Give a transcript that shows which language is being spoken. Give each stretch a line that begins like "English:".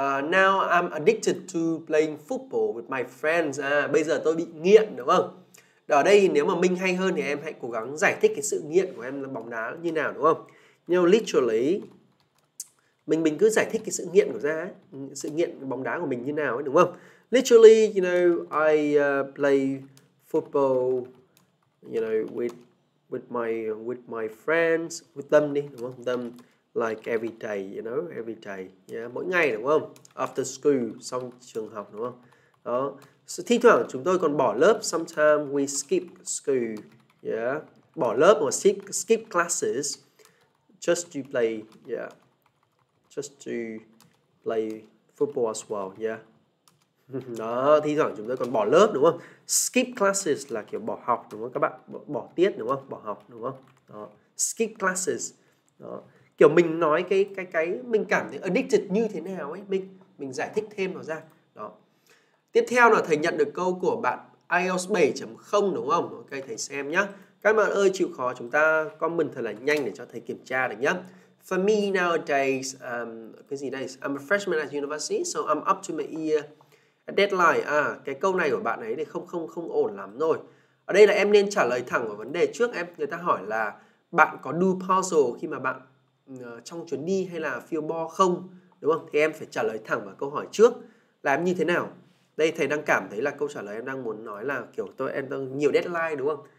English: Now I'm addicted to playing football with my friends.
Vietnamese: À, bây giờ tôi bị nghiện đúng không? Ở đây nếu mà Minh hay hơn thì em hãy cố gắng giải thích cái sự nghiện của em là bóng đá như nào đúng không? Nhưng literally, mình cứ giải thích cái sự nghiện của ra, sự nghiện bóng đá của mình như nào ấy, đúng không?
English: Literally, you know, I play football, you know, with my friends, with them
Vietnamese: đi, đúng không?
English: Them like every day, you know, every day, yeah,
Vietnamese: mỗi ngày đúng không?
English: After school,
Vietnamese: xong trường học đúng không? Đó. So, thi thoảng chúng tôi còn bỏ lớp.
English: Sometimes we skip school, yeah,
Vietnamese: bỏ lớp hoặc
English: skip classes just to play, yeah, just to play football as well, yeah.
Vietnamese: Đó, thi thoảng chúng ta còn bỏ lớp đúng không? Skip classes là kiểu bỏ học đúng không các bạn? Bỏ tiết đúng không? Bỏ học đúng không? Đó. Skip classes. Đó. Kiểu mình nói cái mình cảm thấy addicted như thế nào ấy, mình giải thích thêm nó ra. Đó. Tiếp theo là thầy nhận được câu của bạn IELTS 7.0 đúng không? Ok, thầy xem nhá. Các bạn ơi chịu khó chúng ta comment thật là nhanh để cho thầy kiểm tra được nhá.
English: For me nowadays
Vietnamese: cái gì đây?
English: I'm a freshman at university, so I'm up to my ear.
Vietnamese: Deadline, à, cái câu này của bạn ấy thì không ổn lắm rồi. Ở đây là em nên trả lời thẳng vào vấn đề trước. Em người ta hỏi là bạn có
English: do puzzle
Vietnamese: khi mà bạn trong chuyến đi hay là field ball không, đúng không? Thì em phải trả lời thẳng vào câu hỏi trước là em như thế nào. Đây thầy đang cảm thấy là câu trả lời em đang muốn nói là kiểu tôi em đang nhiều deadline đúng không?